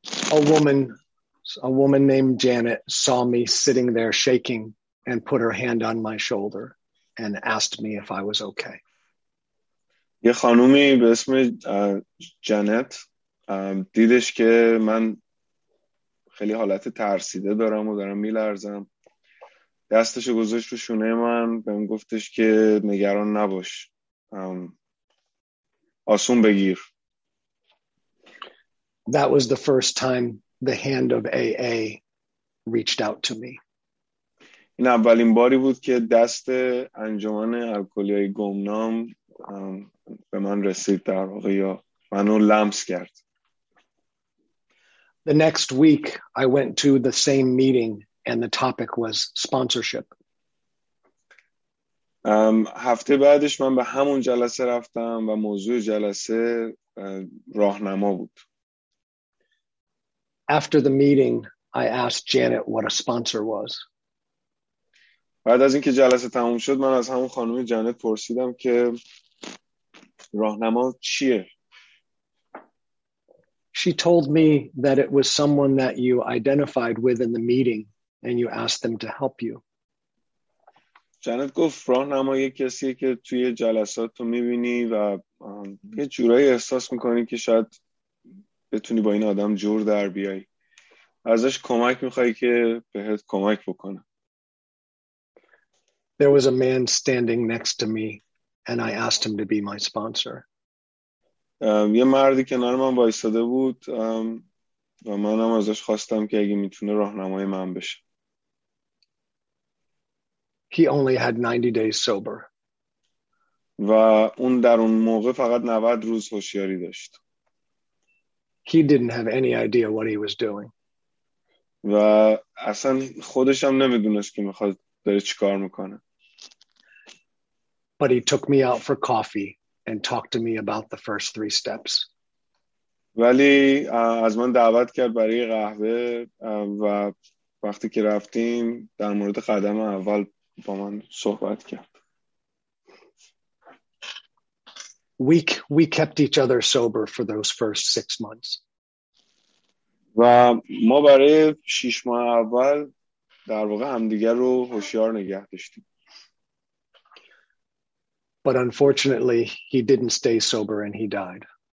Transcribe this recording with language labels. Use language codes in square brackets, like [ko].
[en] A woman named Janet saw me sitting there shaking and put her hand on my shoulder and asked me if I was okay. [fa] یه خانومی به اسم جنت دیدش که من خیلی حالت ترسیده دارم و دارم میلرزم، دستش گذاشت رو شونه من، بهم گفتش که نگران نباش، آسون بگیر. [en] That was the first time the hand of AA reached out to me. [fa] این اولین باری بود که دست انجمن الکلیای گمنام به من رسید، در واقع یا منو لمس کرد. [en] The next week I went to the same meeting and the topic was sponsorship. [fa] هفته بعدش من به همون جلسه رفتم و موضوع جلسه راهنما بود. [en] After the meeting I asked Janet what a sponsor was. [fa] بعد از اینکه جلسه تموم شد من از همون خانم جنت پرسیدم که راهنما چیه؟ [en] She told me that it was someone that you identified with in the meeting and you asked them to help you. [fa] جنت گفت راهنما یه کسیه که توی جلسات تو می‌بینی و یه جورایی احساس می‌کنی که شاید بتونی با این آدم جور در بیای. ازش کمک می‌خوای که بهت کمک بکنه. [en] There was a man standing next to me and I asked him to be my sponsor. [fa] یه مردی کنار من وایساده بود و منم ازش خواستم که اگه میتونه راهنمای من بشه. [en] He only had 90 days sober. [fa] و اون در اون موقع فقط 90 روز هوشیاری داشت. [en] He didn't have any idea what he was doing. [fa] و اصلا خودش هم نمیدونست که میخواد داره چیکار میکنه. [en] But he took me out for coffee and talked to me about the first three steps. [fa] ولی از من دعوت کرد برای قهوه و وقتی که رفتیم در مورد قدم اول با من صحبت کرد. [en] We kept each other sober for those first 6 months. [fa] و ما برای 6 ماه اول در واقع همدیگر رو هوشیار نگه داشتیم. [en] But unfortunately, he didn't stay sober and he died.